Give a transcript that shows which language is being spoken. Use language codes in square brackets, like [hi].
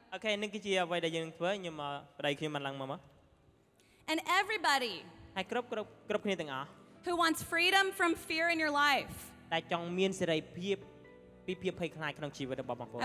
[km] Okay, នឹងជាអ្វីដែលយើងធ្វើខ្ញុំមកប្តីខ្ញុំបានឡើងមកមក [en] And everybody. [km] ហើយគ្រប់គ្នាទាំងអស់ [en] Who wants freedom from fear in your life? [km] តែចង់មានសេរីភាពពីភាពភ័យខ្លាចក្នុងជីវិតរបស់បងប្អូន